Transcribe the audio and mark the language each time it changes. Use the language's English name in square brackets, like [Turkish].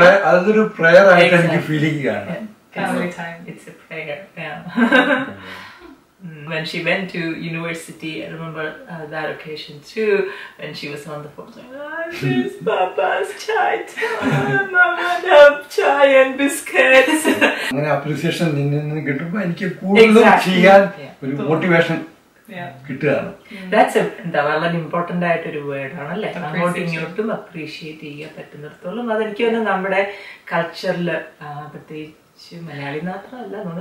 [Malayalam] അതൊരു പ്രയർ ആയിട്ട് എനിക്ക് ഫീലിംഗ് ആണ്. [English] When she went to university, I remember that occasion too, when she was on the phone saying, I miss Papa's chai time, I want to have chai and biscuits. [Malayalam] അങ്ങനെ appreciation നിന്നു കിട്ടുമ്പോൾ എനിക്ക് കൂടുതലും ചെയ്യാൻ ഒരു motivation കിട്ടുകയാണ്. That's എന്താ വളരെ ഇമ്പോർട്ടന്റ് ആയിട്ട് ഒരു വേർഡ് ആണല്ലേ, അങ്ങോട്ടും ഇങ്ങോട്ടും അപ്രീഷിയേറ്റ് ചെയ്യാൻ പറ്റുന്നിടത്തോളം. അതെനിക്ക് തന്നെ നമ്മുടെ കൾച്ചറിൽ പ്രത്യേകിച്ച് മലയാളി മാത്രമല്ല